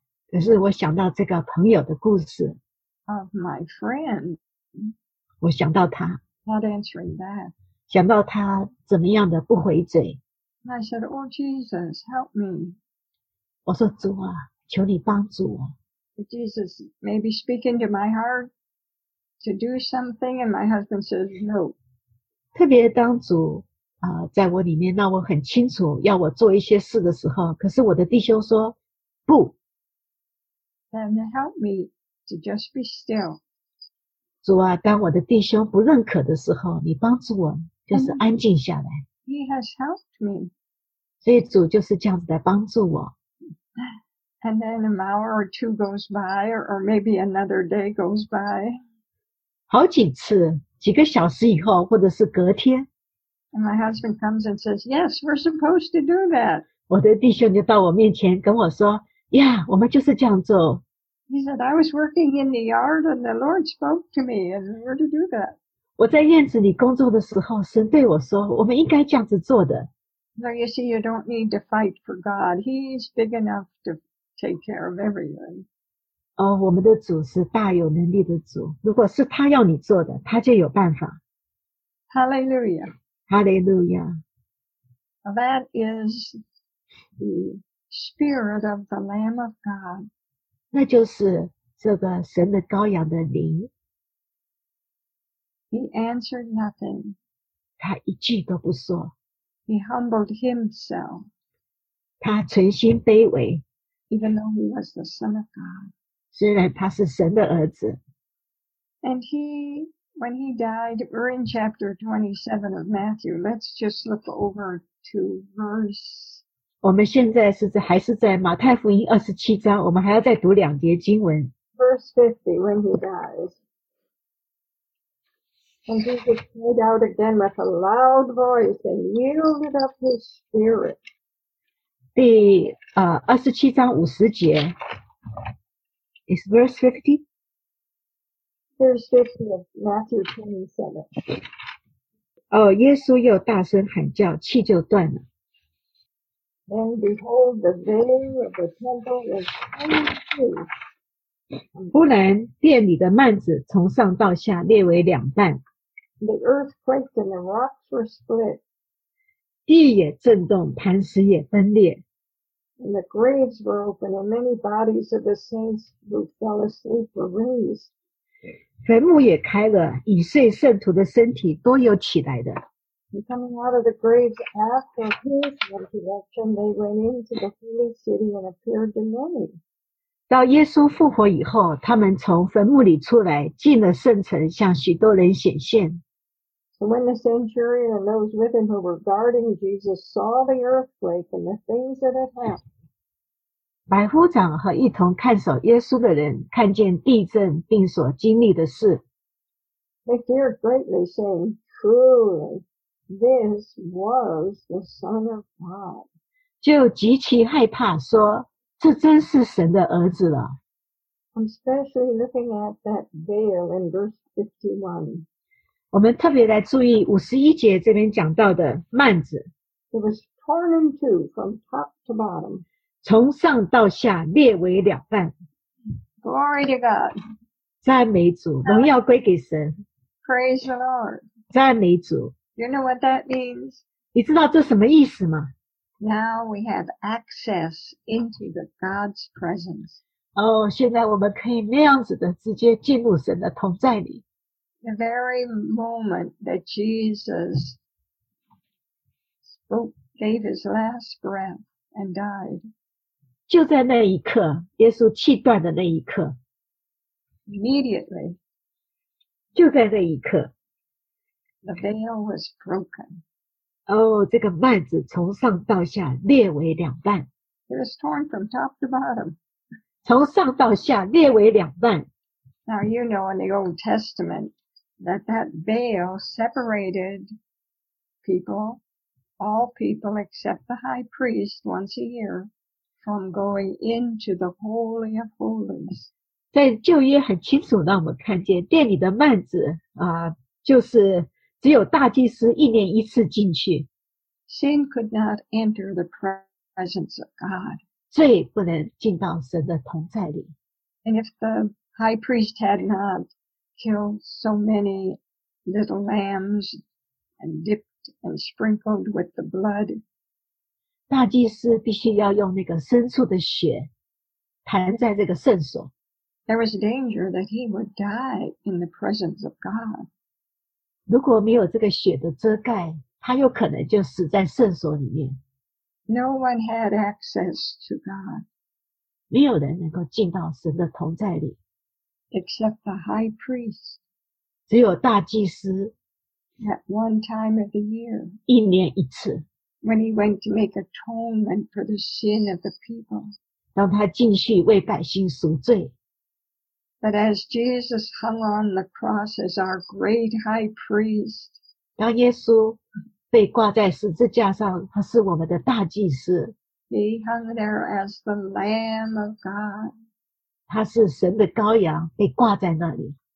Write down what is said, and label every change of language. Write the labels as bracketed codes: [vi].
[zh] 可是我想到这个朋友的故事。 [en] Of my friend. [zh] 我想到他 [en] Not answering that. [zh] 想到他怎么样的不回嘴。 [en] And I said, oh, Jesus, help me. [zh] 我说主啊求你帮助我。 [en] But Jesus may be speaking to my heart to do something and my husband says no. [zh] 特别当主在我里面让我很清楚要我做一些事的时候可是我的弟兄说不。 [en] And help me to just be still. [zh] 主啊当我的弟兄不认可的时候你帮助我就是安静下来。 [en] He has helped me. [zh] 所以主就是这样子来帮助我。 [en] And then an hour or two goes by, or maybe another day goes by. [zh] 好几次几个小时以后或者是隔天。 [en] And my husband comes and says, yes, we're supposed to do that. [zh] 我的弟兄就到我面前跟我说呀、yeah, 我们就是这样做。 [en] He said, I was working in the yard and the Lord spoke to me and we're to do that. [zh] 我在院子里工作的时候神对我说我们应该这样子做的。 [en] So you see, you don't need to fight for God. He's big enough to take care of everything. [zh] 我们的主是大有能力的主。如果是他要你做的他就有办法。 [en] Hallelujah. Hallelujah. That is the spirit of the Lamb of God. [zh] 那就是这个神的羔羊的灵。 [en] He answered nothing. [zh] 他一句都不说。 [en] He humbled himself. [zh] 他存心卑微。 [en] Even though he was the Son of God. [zh] 虽然他是神的儿子。 [en] And he, when he died, we're in chapter 27 of Matthew. Let's just look over to verse... [zh] 我们现在是还是在马太福音27章我们还要再读两节经文。 [en] Verse 50, when he dies. And Jesus cried out again with a loud voice and yielded up his spirit. [zh] 第27章50节。 [en] Is verse 50? Verse 50 of Matthew 27. [zh] 耶稣又大声喊叫气就断了。 [en] Then behold, the veil of the temple was torn through. [zh] 忽然殿里的幔子从上到下裂为两半。 [en] The earth quaked and the rocks were split. [zh] 地也震动，磐石也分裂。 [en] And the graves were open, and many bodies of the saints who fell asleep were raised. [zh] 坟墓也开了，已睡圣徒的身体都有起来的。 [en] And coming out of the graves after his resurrection, they went into the holy city and appeared to many. [zh] 到耶稣复活以后，他们从坟墓里出来，进了圣城，向许多人显现。 [en] So when the centurion and those with him who were guarding Jesus saw the earthquake and the things that had happened, [zh] 百夫长和一同看守耶稣的人看见地震并所经历的事。 [en] They feared greatly, saying, "Truly." This was the Son of God. [zh] 就极其害怕说这真是神的儿子了。 [en] I'm especially looking at that veil in verse 51. [zh] 我们特别来注意51节这边讲到的幔子。 [en] It was torn in two from top to bottom. [zh] 从上到下裂为两半。 [en] Glory to God. [zh] 赞美主荣耀归给神。 [en] Praise the Lord. [zh] 赞美主。 [en] You know what that means? [zh] 你知道这什么意思吗? [en] Now we have access into the God's presence. [zh] 现在我们可以那样子的直接进入神的同在里。 [en] The very moment that Jesus spoke, gave his last breath and died. [zh] 就在那一刻，耶稣气断的那一刻。 [en] Immediately. [zh] 就在那一刻。 [en] The veil was broken. [zh] 哦，这个幔子从上到下裂为两半。 [en] It was torn from top to bottom. [zh] 从上到下裂为两半。 [en] Now you know in the Old Testament that that veil separated people, all people except the high priest once a year, from going into the Holy of Holies. [zh] 在旧约很清楚让我们看见殿里的幔子、就是只有大祭司一年一次进去。 [en] Sin could not enter the presence of God. [zh] 罪不能进到神的同在里。 [en] And if the high priest had not killed so many little lambs and dipped and sprinkled with the blood, [zh] 大祭司必须要用那个牲畜的血弹在这个圣所。 [en] There was a danger that he would die in the presence of God. [zh] 如果没有这个血的遮盖，他有可能就死在圣所里面。 [en] No one had access to God. [zh] 没有人能够进到神的同在里。 [en] Except the high priest. [zh] 只有大祭司。 [en] At one time of the year. [zh] 一年一次。 [en] When he went to make atonement for the sin of the people. [zh] 当他进去为百姓赎罪。 [en] But as Jesus hung on the cross as our great high priest, [zh] 当耶稣被挂在十字架上，他是我们的大祭司。 [en] He hung there as the Lamb of God. [zh] 他是神的羔羊，被挂在那里。